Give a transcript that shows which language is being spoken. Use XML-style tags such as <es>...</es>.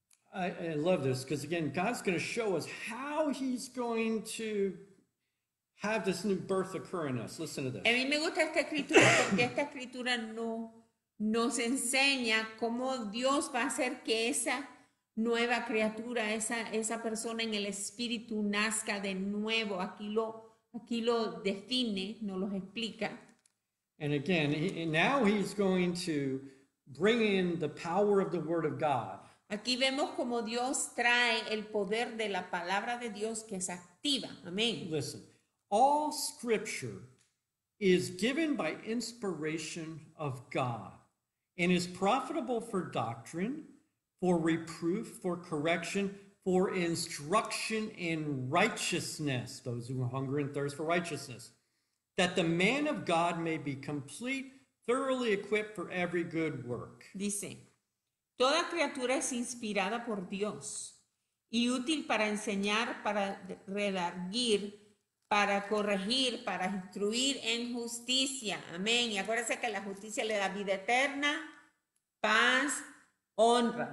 <en>I love this because, again, God's going to show us how he's going to have this new birth occur in us. Listen to this.</en> <es>A mí me gusta esta escritura porque esta escritura nos enseña cómo Dios va a hacer que esa nueva criatura, esa persona en el espíritu nazca de nuevo. Aquí lo define, nos lo explica.</es> <en>And again, now he's going to bring in the power of the word of God.</en> <es>Aquí vemos como Dios trae el poder de la palabra de Dios que se activa. Amén.</es> <en>Listen, all scripture is given by inspiration of God and is profitable for doctrine, for reproof, for correction, for instruction in righteousness, those who hunger and thirst for righteousness, that the man of God may be complete, thoroughly equipped for every good work.</en> <es>Dice, toda criatura es inspirada por Dios y útil para enseñar, para redarguir, para corregir, para instruir en justicia. Amén. Y acuérdense que la justicia le da vida eterna, paz, honra.</es>